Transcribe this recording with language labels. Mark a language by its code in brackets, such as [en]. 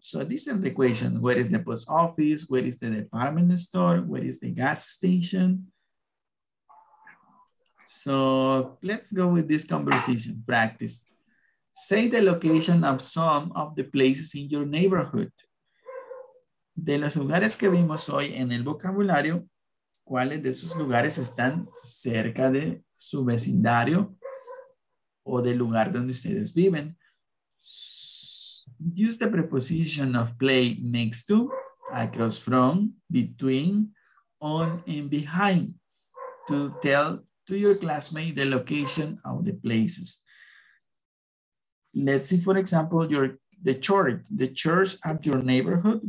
[en] So this is the question. Where is the post office? Where is the department store? Where is the gas station? So let's go with this conversation practice. Say the location of some of the places in your neighborhood. [es] De los lugares que vimos hoy en el vocabulario, ¿cuáles de esos lugares están cerca de su vecindario o del lugar donde ustedes viven? [en] Use the preposition of play next to, across from, between, on, and behind to tell to your classmate the location of the places. Let's see, for example, the church of your neighborhood.